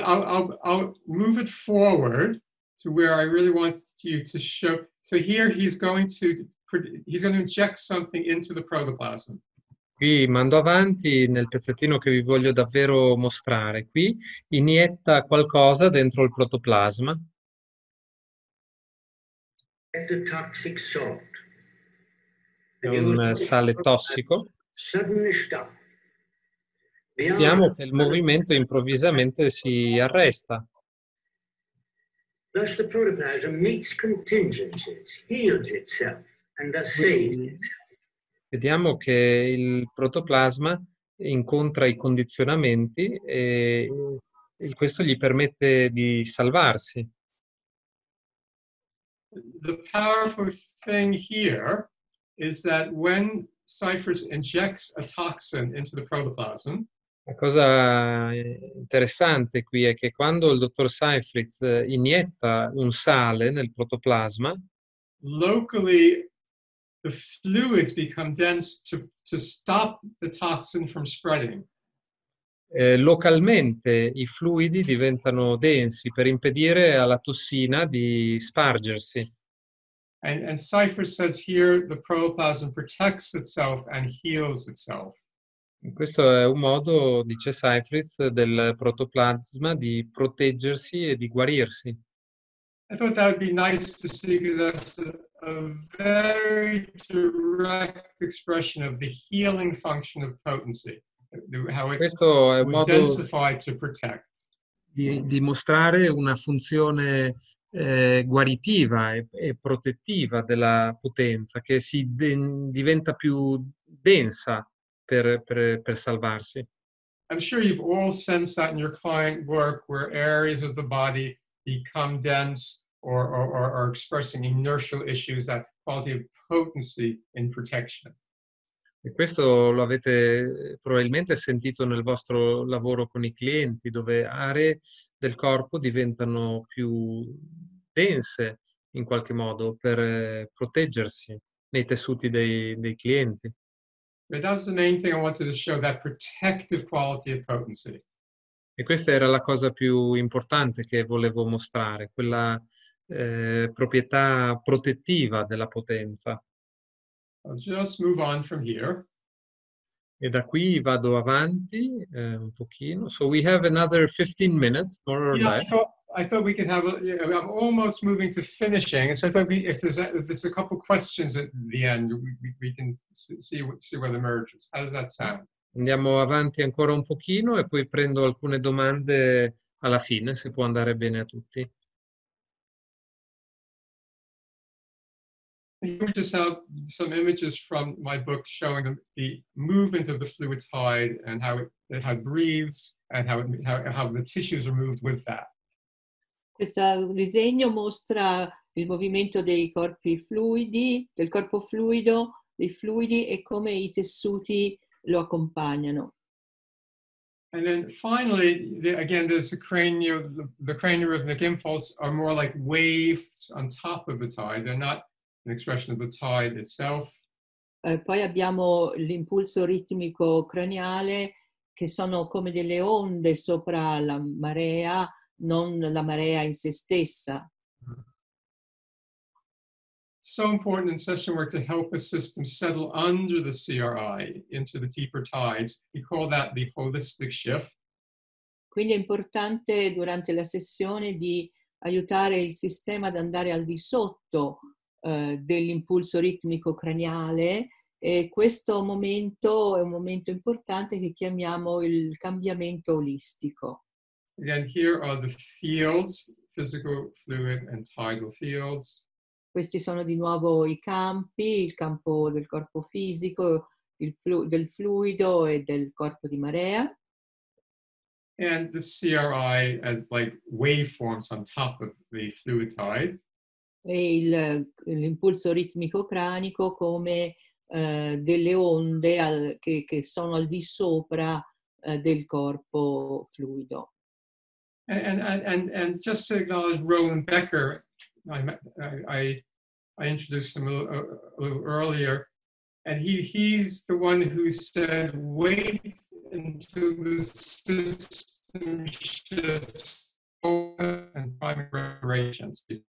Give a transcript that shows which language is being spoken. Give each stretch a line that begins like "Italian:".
English: I'll move it forward to where I really want you to show. So here he's going to inject something into the protoplasm.
Italian: Qui mando avanti nel pezzettino che vi voglio davvero mostrare. Qui inietta qualcosa dentro il protoplasma.
English: A toxic salt.
Italian: Un sale tossico.
English: Suddenly stop.
Italian: Vediamo che il movimento improvvisamente si arresta.
English: Thus the protoplasm meets contingencies, heals itself, and thus saves itself.
Italian: Vediamo che il protoplasma incontra i condizionamenti e questo gli permette di salvarsi.
English: The powerful thing here is that when Seifert injects a toxin into the protoplasm.
Italian: La cosa interessante qui è che quando il dottor Seifert inietta un sale nel protoplasma,
English: locally the fluids become dense to stop the toxin from spreading.
Italian: localmente i fluidi diventano densi per impedire alla tossina di spargersi.
English: And Cypher says here the protoplasm protects itself and heals itself.
Italian: Questo è un modo, dice Seifritz, del protoplasma di proteggersi e di guarirsi.
English: I thought that would be nice to see, because that's a very direct expression of the healing function of potency, how it would densify to protect.
Italian: Di mostrare una funzione guaritiva e protettiva della potenza, che si diventa più densa per salvarsi.
English: I'm sure you've all sensed that in your client work, where areas of the body become dense or are expressing inertial issues, that quality of potency in protection.
Italian: E questo lo avete probabilmente sentito nel vostro lavoro con i clienti, dove aree del corpo diventano più dense in qualche modo per proteggersi nei tessuti dei clienti.
English: But that's the main thing I wanted to show, that protective quality of potency.
Italian: E questa era la cosa più importante che volevo mostrare, quella proprietà protettiva della potenza.
English: I'll just move on from here.
Italian: E da qui vado avanti un pochino.
English: So we have another 15 minutes, more or less. I thought we could have, I'm almost moving to finishing, so I thought if there's a couple questions at the end, we can see where the merge is. How does that sound?
Italian: Andiamo avanti ancora un pochino e poi prendo alcune domande alla fine, se può andare bene a tutti.
English: Here we just have some images from my book showing the movement of the fluid tide and how it breathes and how the tissues are moved with that.
Italian: Questo disegno mostra il movimento dei corpi fluidi, del corpo fluido, dei fluidi e come i tessuti lo accompagnano.
English: And then finally, again, there's the cranial rhythmic impulse are more like waves on top of the tide. They're not an expression of the tide itself.
Italian: Poi abbiamo l'impulso ritmico craniale, che sono come delle onde sopra la marea, non la marea in se stessa.
English: So important in session work to help a system settle under the CRI into the deeper tides. We call that the holistic shift.
Italian: Quindi è importante durante la sessione di aiutare il sistema ad andare al di sotto dell'impulso ritmico craniale, e questo momento è un momento importante che chiamiamo il cambiamento olistico.
English: Again, here are the fields, physical, fluid, and tidal fields.
Italian: Questi sono di nuovo i campi, il campo del corpo fisico, del fluido e del corpo di marea.
English: And the CRI as like waveforms on top of the fluid tide.
Italian: E l'impulso ritmico cranico come delle onde che sono al di sopra del corpo fluido.
English: And just to acknowledge Roland Becker, I introduced him a little earlier, and he's the one who said, wait until the system shifts and primary operations.